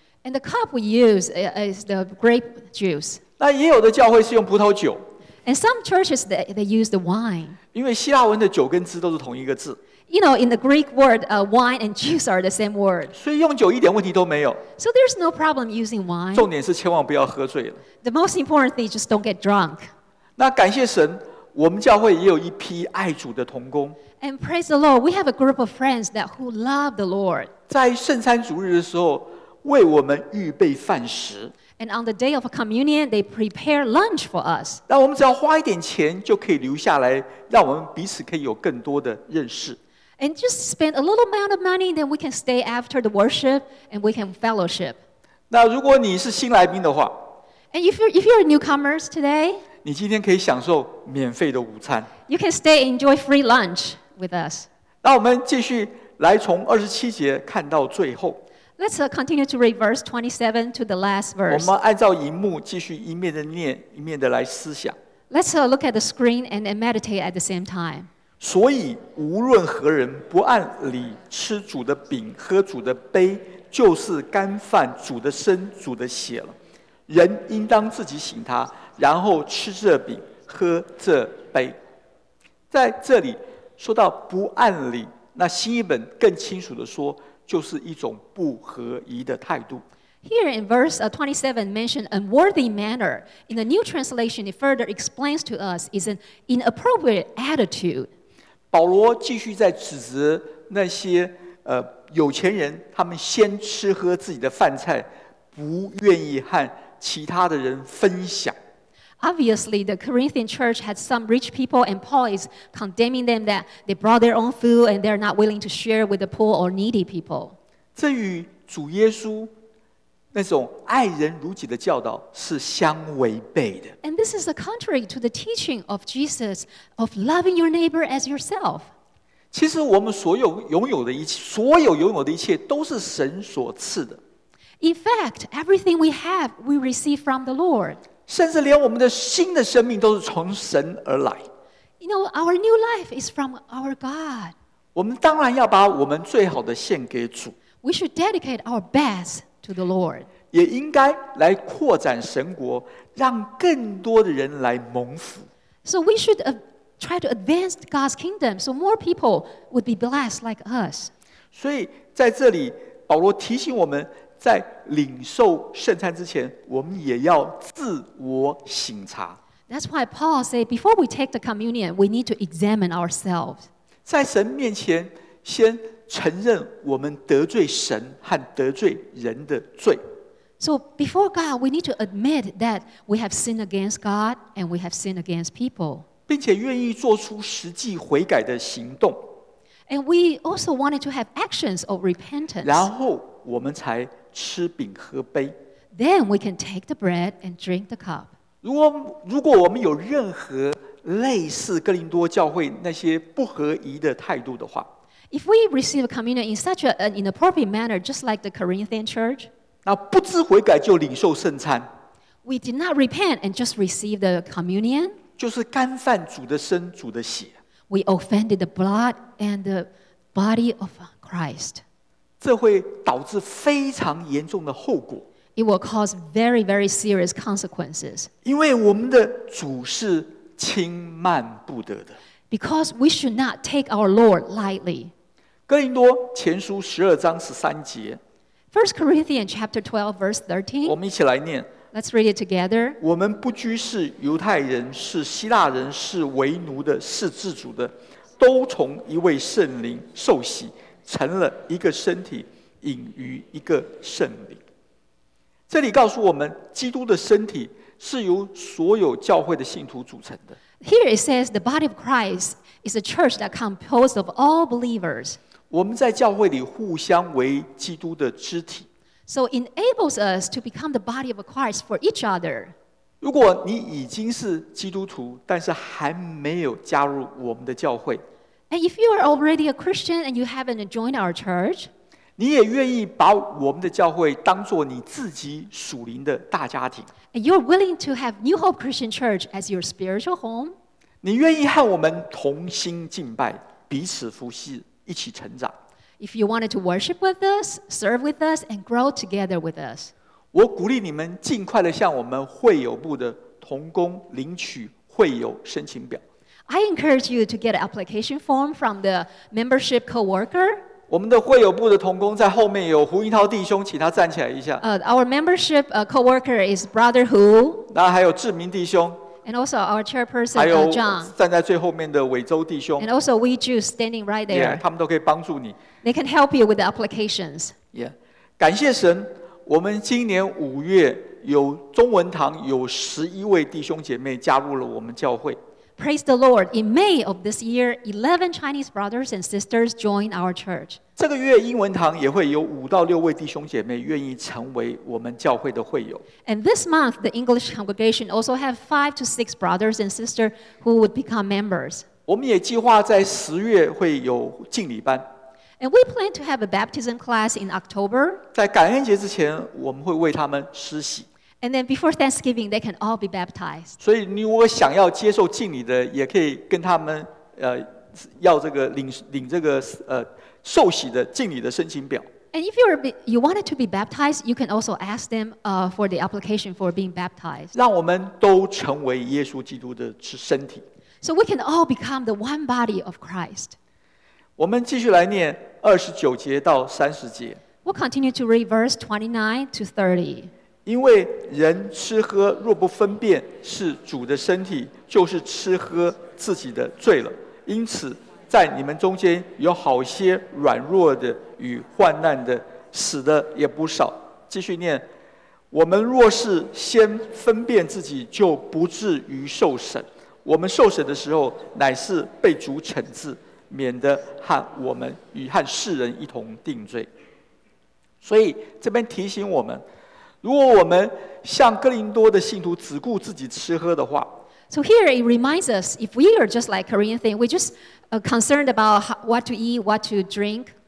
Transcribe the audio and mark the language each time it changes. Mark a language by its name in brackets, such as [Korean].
[English] And the cup we use is the grape juice. [Chinese] 那也有的教会是用葡萄酒。 [English] And some churches they use the wine. [Chinese] 因为希腊文的酒跟汁都是同一个字。 [English] You know, in the Greek word, wine and juice are the same word. [Chinese] 所以用酒一点问题都没有。 [English] So there's no problem using wine. [Chinese] 重点是千万不要喝醉了。 [English] The most important thing is just don't get drunk. [Chinese] 那感谢神，我们教会也有一批爱主的同工。 [English] And praise the Lord, we have a group of friends that who love the Lord. [Chinese] 在圣餐主日的时候，为我们预备饭食。 [English] And on the day of a communion, they prepare lunch for us. [Chinese] 那我们只要花一点钱就可以留下来，让我们彼此可以有更多的认识。 [English] And just spend a little amount of money, then we can stay after the worship and we can fellowship. [Chinese] 那如果你是新来宾的话 [English] ，And if you're a newcomer today, [Chinese] 你今天可以享受免费的午餐。 [English] You can stay and enjoy free lunch with us. [Chinese] 那我们继续来从二十七节看到最后。 [English] Let's continue to read verse 27 to the last verse. [Chinese] 我们按照荧幕继续一面的念，一面的来思想。 [English] Let's look at the screen and meditate at the same time. [Chinese] 所以无论何人不按理吃主的饼，喝主的杯，就是干犯主的身，主的血了。人应当自己省他，然后吃这饼，喝这杯。在这里说到不按理，那新译本更清楚地说。就是一种不合宜的态度。 [English] Here in verse 27 mentioned unworthy manner. In the New Translation, it further explains to us is an inappropriate attitude. [Chinese] 保罗继续在指责那些有钱人，他们先吃喝自己的饭菜，不愿意和其他的人分享。 [English] Obviously, the Corinthian church had some rich people, and Paul is condemning them that they brought their own food and they're not willing to share with the poor or needy people. [Chinese] 这与主耶稣那种爱人如己的教导是相违背的。 [English] And this is the contrary to the teaching of Jesus of loving your neighbor as yourself. [Chinese] 其实我们所有拥有的一切，所有拥有的一切都是神所赐的。 [English] In fact, everything we have, we receive from the Lord. [Chinese] 甚至连我们的新的生命都是从神而来。 [English] You know, our new life is from our God. [Chinese] 我们当然要把我们最好的献给主。 [English] We should dedicate our best to the Lord. [Chinese] 也应该来扩展神国，让更多的人来蒙福。 [English] So we should try to advance God's kingdom so more people would be blessed like us. [Chinese] 所以在这里，保罗提醒我们。在领受圣餐之前，我们也要自我省察。 [English] That's why Paul said, before we take the communion, we need to examine ourselves. [Chinese] 在神面前，先承认我们得罪神和得罪人的罪。 [English] So before God, we need to admit that we have sinned against God and we have sinned against people. [Chinese] 并且愿意做出实际悔改的行动。 [English] And we also wanted to have actions of repentance. [Chinese] 然后我们才吃饼喝杯。 [English] Then we can take the bread and drink the cup. [Chinese] 如果我们有任何类似哥林多教会那些不合宜的态度的话 [English] ，If we receive communion in such an inappropriate manner, just like the Corinthian church, [Chinese] 那不知悔改就领受圣餐 [English] ，We did not repent and just receive the communion, [Chinese] 就是干犯主的身、主的血 [English] ，We offended the blood and the body of Christ. [Chinese] 这会导致非常严重的后果。 [English] It will cause very, very serious consequences. [Chinese] 因为我们的主是轻慢不得的。 [English] Because we should not take our Lord lightly. [Chinese] 哥林多前书十二章十三节。 [English] First Corinthians chapter 12 verse 13. [Chinese] 我们一起来念。 [English] Let's read it together. [Chinese] 我们不拘是犹太人，是希腊人，是为奴的，是自主的。都从一位圣灵受洗，成了一个身体，隐于一个圣灵。这里告诉我们，基督的身体是由所有教会的信徒组成的。 [English] Here it says the body of Christ is a church that composed of all believers. [Chinese] 我们在教会里互相为基督的肢体。 [English] So it enables us to become the body of Christ for each other. [Chinese] 如果你已经是基督徒，但是还没有加入我们的教会。 [English] And if you are already a Christian and you haven't joined our church, [Chinese] 你也愿意把我们的教会当作你自己属灵的大家庭。 [English] And you're willing to have New Hope Christian Church as your spiritual home. [Chinese] 你愿意和我们同心敬拜，彼此服侍，一起成长。 [English] If you wanted to worship with us, serve with us, and grow together with us. [Chinese] 我鼓励你们尽快地向我们会友部的同工领取会友申请表。 [English] I encourage you to get an application form from the membership co-worker. [Chinese] 我们的会友部的同工在后面有胡云涛弟兄，请他站起来一下。 [English] Our membership co-worker is Brother Hu. [Chinese] 那还有志明弟兄。 [English] And also our chairperson, [Chinese] John. 还有站在最后面的伟洲弟兄。 [English] And also we Jews standing right there. [Chinese] Yeah, 他们都可以帮助你。 [English] They can help you with the applications. [Chinese] Yeah, 感谢神，我们今年五月有中文堂有十一位弟兄姐妹加入了我们教会。 [English] Praise the Lord. In May of this year, 11 Chinese brothers and sisters joined our church. [Chinese] 这个月英文堂也会有五到六位弟兄姐妹愿意成为我们教会的会友。 [English] And this month, the English congregation also have 5 to 6 brothers and sisters who would become members. [Chinese] 我们也计划在十月会有敬礼班。 [English] And we plan to have a baptism class in October. [Chinese] 在感恩节之前，我们会为他们施洗。 [English] And then before Thanksgiving, they can all be baptized. [Chinese] 所以你如果想要接受敬礼的，也可以跟他们要这个领这个受洗的敬礼的申请表。 [English] And if you wanted to be baptized, you can also ask them for the application for being baptized. [Chinese] 让我们都成为耶稣基督的身体。 [English] So we can all become the one body of Christ. [Chinese] 我们继续来念29节到30节。 [English] We'll continue to read verse 29 to 30. [Chinese] 因为人吃喝若不分辨是主的身体，就是吃喝自己的罪了。因此，在你们中间有好些软弱的与患难的，死的也不少。继续念，我们若是先分辨自己，就不至于受审。我们受审的时候，乃是被主惩治，免得和我们与和世人一同定罪。所以这边提醒我们。如果我们像哥林多的信徒只顾自己吃喝的话 [English] ，So here it reminds us, if we are just like Korean thing, we just concerned about what to eat, what to drink.